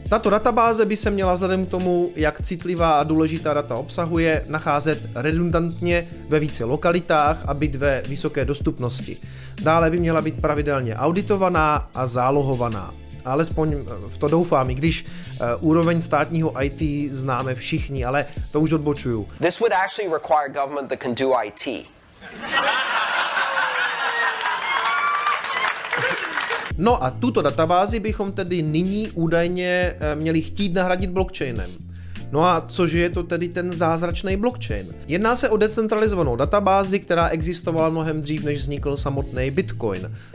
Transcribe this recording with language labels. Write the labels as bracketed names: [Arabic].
[Czech] Tato databáze by se měla vzhledem k tomu, jak citlivá a důležitá data obsahuje, nacházet redundantně ve více lokalitách a být ve vysoké dostupnosti. Dále by měla být pravidelně auditovaná a zálohovaná. Alespoň v to doufám, i když úroveň státního IT známe všichni, ale to už odbočuju. [English] This would actually require government that can do IT. [Czech] No a tuto databázi bychom tedy nyní údajně měli chtít nahradit blockchainem. No a cože je to tedy ten zázračný blockchain? Jedná se o decentralizovanou databázi, která existovala mnohem dřív, než vznikl samotný Bitcoin.